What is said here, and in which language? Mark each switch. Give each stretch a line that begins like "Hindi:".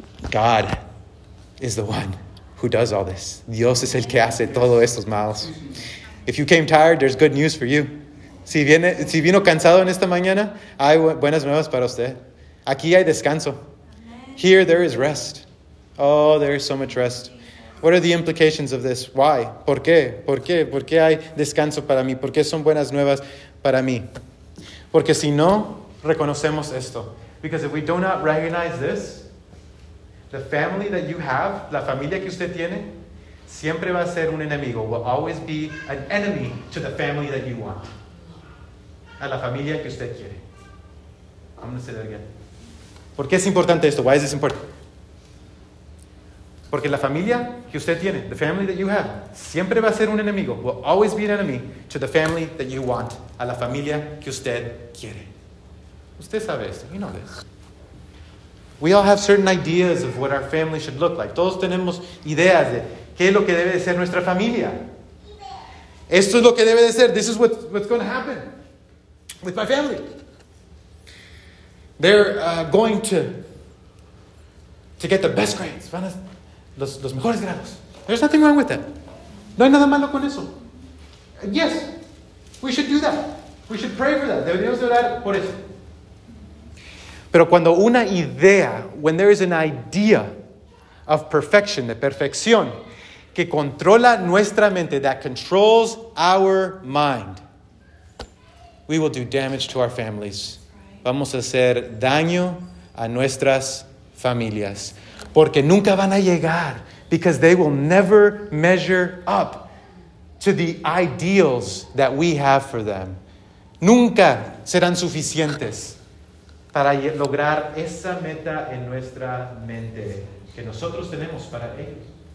English: God is the one who does all this.
Spanish: Dios es el que hace todos estos males.
English: If you came tired, there's good news for you.
Spanish: Si vino cansado en esta mañana, hay buenas nuevas para usted. Aquí hay descanso.
English: Here there is rest. Oh, there is so much rest. What are the implications of this? Why?
Spanish: ¿Por qué? ¿Por qué? ¿Por qué hay descanso para mí? ¿Por qué son buenas nuevas para mí? Porque si no reconocemos esto.
English: Because if we do not recognize this, the family that you have,
Spanish: la familia que usted tiene, siempre va a ser un enemigo.
English: Will always be an enemy to the family that you want.
Spanish: A la familia que usted quiere.
English: I'm going to say that again.
Spanish: ¿Por qué es importante esto?
English: Why is this important?
Spanish: Porque la familia que usted tiene,
English: the family that you have,
Spanish: siempre va a ser un enemigo.
English: Will always be an enemy to the family that you want.
Spanish: A la familia que usted quiere. Usted sabe esto.
English: You know this. We all have certain ideas of what our family should look like.
Spanish: Todos tenemos ideas de qué es lo que debe de ser nuestra familia. Esto es lo que debe de ser.
English: This is what's going to happen with my family. They're going to get the best grades.
Spanish: Van a los mejores grados.
English: There's nothing wrong with that.
Spanish: No hay nada malo con eso.
English: Yes, we should do that. We should pray for that.
Spanish: Deberíamos orar por eso. Pero cuando una idea,
English: when there is an idea of perfection,
Spanish: de perfección, que controla nuestra mente,
English: that controls our mind, we will do damage to our families.
Spanish: Vamos a hacer daño a nuestras familias. Porque nunca van a llegar.
English: Because they will never measure up to the ideals that we have for them.
Spanish: Nunca serán suficientes para lograr esa meta en nuestra mente que nosotros tenemos para ellos.